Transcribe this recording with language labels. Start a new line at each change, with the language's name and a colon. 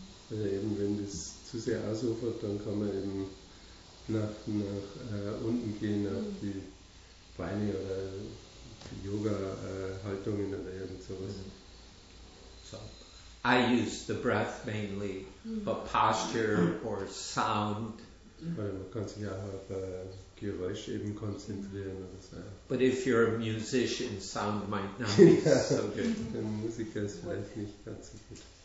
German: Also eben, wenn das zu sehr ausufert, dann kann man eben nach unten gehen, auf die Beine oder Yoga-Haltungen oder irgend sowas.
English: So, I use the breath mainly, but posture or sound.
German: Oder man kann sich auch auf Geräusch eben konzentrieren oder so.
English: But if you're a musician, sound might not be so good.
German: Ein Musiker ist vielleicht nicht ganz so gut.